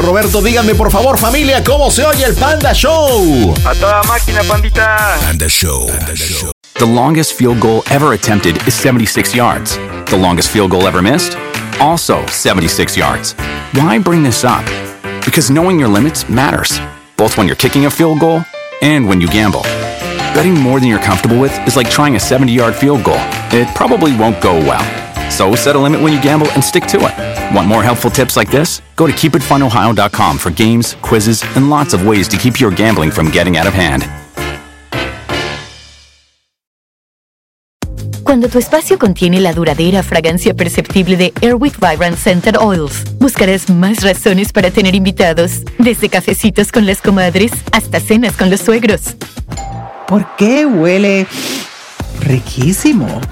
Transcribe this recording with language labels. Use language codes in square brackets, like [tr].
[es] Roberto, díganme, por favor, familia, ¿cómo se oye el Panda Show? A toda máquina, pandita. Panda Show. Panda Show. [en] The longest field goal ever attempted is 76 yards. The longest field goal ever missed? Also 76 yards. Why bring this up? Because knowing your limits matters, both when you're kicking a field goal and when you gamble. Betting more than you're comfortable with is like trying a 70-yard field goal. It probably won't go well. So set a limit when you gamble and stick to it. Want more helpful tips like this? Go to KeepItFunOhio.com for games, quizzes, and lots of ways to keep your gambling from getting out of hand. [es] Cuando tu espacio contiene la duradera fragancia perceptible de Airwick Vibrant Scented Oils, buscarás más razones para tener invitados, desde cafecitos con las comadres hasta cenas con los suegros. ¿Por qué huele riquísimo?